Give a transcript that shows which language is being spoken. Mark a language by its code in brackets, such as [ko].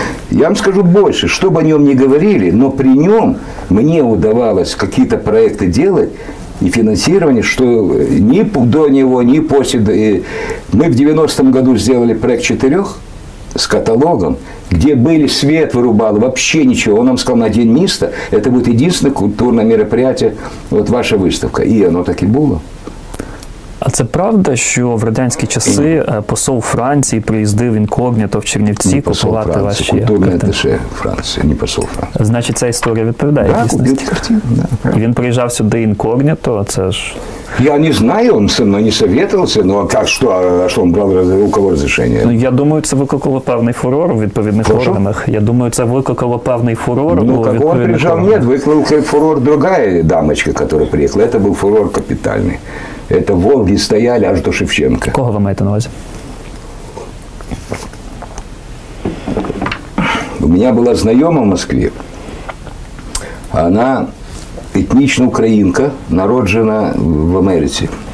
[ru] Я вам скажу больше, что бы о нем ни говорили, но при нем мне удавалось какие-то проекты делать и финансирование, что ни до него, ни после. Мы в 90-м году сделали проект 4 с каталогом, где были свет вырубал, вообще ничего. Он нам сказал, на день места, это будет единственное культурное мероприятие, вот ваша выставка. И оно так и было. [uk] А це правда, що в радянські часи посол Франції приїздив інкогніто в Чернівці купувати ваші культурні атташе Франції, не посол Франції. Значить, ця історія відповідає дійсності. Він приїжджав сюди інкогніто, це ж [ru] Я не знаю, он со мной не советовался, но как, что, что он брал у кого разрешение? [uk] Ну, я думаю, це викликало певний фурор у відповідних органах. Я думаю, це викликало певний фурор у відповідних органах. [ru] Ну, как он приезжал, нет, викликал фурор другая дамочка, которая приехала. Это был фурор капитальный. Это Волги стояли аж до Шевченко. [uk] Кого вы маете на увазі? [ru] У меня была знакома в Москве. Она этнично украинка, [uk] народжена в Америці.